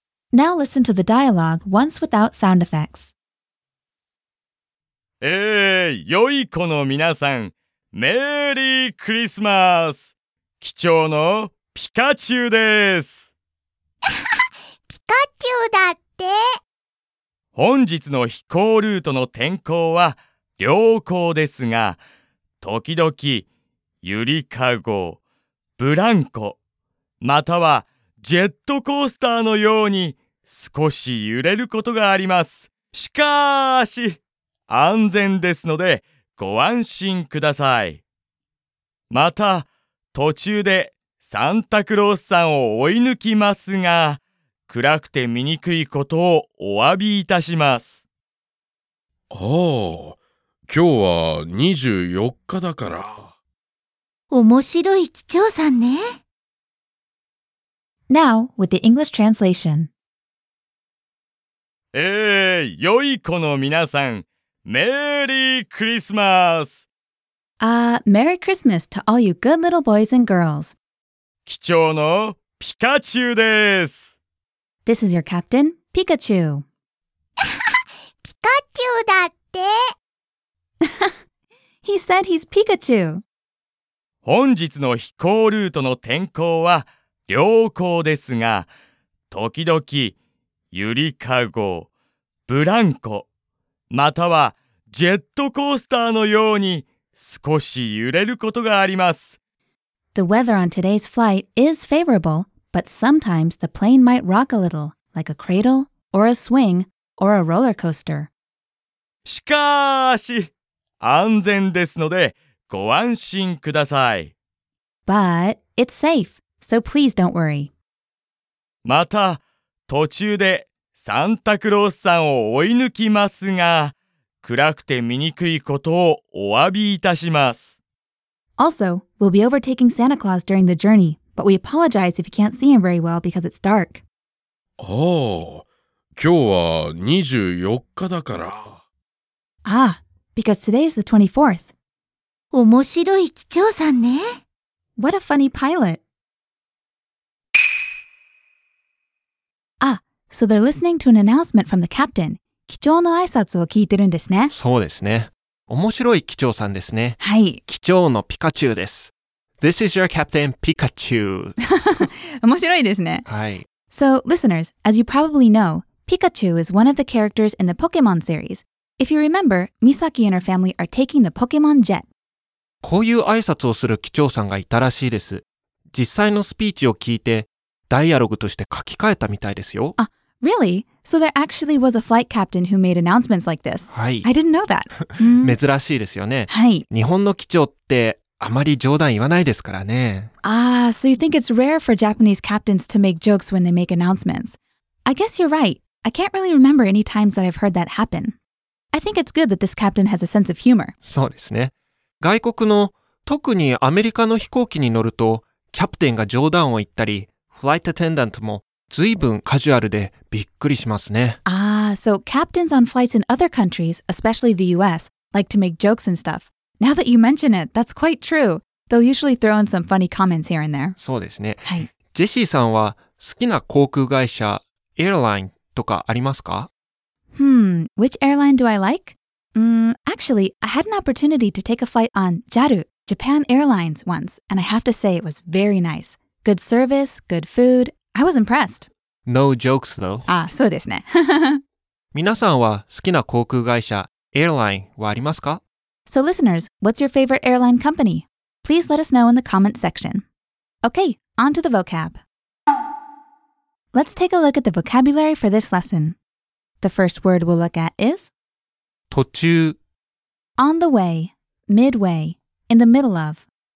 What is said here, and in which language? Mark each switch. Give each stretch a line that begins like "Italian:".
English: Now listen to the dialogue once without sound effects.
Japanese: 良い子の皆さん、メリークリスマス。機長のピカチュウです。ピカチュウだって。本日の飛行ルートの天候は良好ですが、時々ゆりかご、ブランコ、またはジェットコースターのように少し揺れることがあります。しかし安全ですのでご安心ください。また途中でサンタクロースさんを追い抜きますが、暗くて見にくいことをお詫びいたします。ああ、今日は24日だから。面白い機長さんね。
English: Now with the English translation.
Japanese: 良い子の皆さん、メリークリスマス。
English: Merry Christmas to all you good little boys and girls.
Japanese: 機長のピカチュウです。
English: This is your captain, Pikachu.
Japanese: ピカチュウだって。
English: He said he's Pikachu.
Japanese: 本日の飛行ルートの天候は良好ですが、時々ゆりかご、ブランコ、またはジェットコースターのように少し揺れることがあります。
English: The weather on today's flight is favorable, but sometimes the plane might rock a little, like a cradle, or a swing, or a roller coaster.
Japanese: しかし、安全ですのでご安心ください。
English: But it's safe, so please don't worry.
Japanese: また、途中でサンタクロースさんを追い抜きますが、暗くて見にくいことをお詫びいたします。
English: Also, we'll be overtaking Santa Claus during the journey, but we apologize if you can't see him very well because it's dark.
Japanese: ああ、今日は24日だから。
English: Ah, because today is the 24th.
Japanese: 面白い機長さんね。
English: What a funny pilot. So they're listening to an announcement from the captain.
Japanese: 機長の挨拶を聞いてるんですね。そうですね。面白い機長さんですね。はい。機長のピカチュウです。 This is your Captain Pikachu. 面白いですね。はい。
English: So, listeners, as you probably know, Pikachu is one of the characters in the Pokemon series. If you remember, Misaki and her family are taking the Pokemon jet.
Japanese: こういう挨拶をする機長さんがいたらしいです。実際のスピーチを聞いて、ダイアログとして書き換えたみたいですよ。
English: あ、really? So there actually was a flight captain who made announcements like this.
Japanese: はい。
English: I didn't know that.
Japanese: 珍しいですよね。はい。日本の機長って、あまり冗談言わないですからね。
English: Ah, so you think it's rare for Japanese captains to make jokes when they make announcements. I guess you're right. I can't really remember any times that I've heard that happen. I think it's good that this captain has a sense of humor.
Japanese: そうですね。外国の、特にアメリカの飛行機に乗ると、キャプテンが冗談を言ったり、フライトアテンダントも随分カジュアルでびっくりしますね。
English: Ah, so captains on flights in other countries, especially the US, like to make jokes and stuff. Now that you mention it, that's quite true. They'll usually throw in some funny comments here and there.
Japanese: そうですね。はい。ジェシーさんは好きな航空会社、エアラインとかありますか？
English: Which airline do I like? Actually, I had an opportunity to take a flight on JAL, Japan Airlines, once, and I have to say it was very nice. Good service, good food. I was impressed. No jokes, though.
Japanese: ああ、そうですね。皆さんは好きな航空会社、エアラインはありますか？
English: So listeners, what's your favorite airline company? Please let us know in the comments section. Okay, on to the vocab. Let's take a look at the vocabulary for this lesson. The first word we'll look at is
Japanese: 途中
English: On the way, midway, in the middle of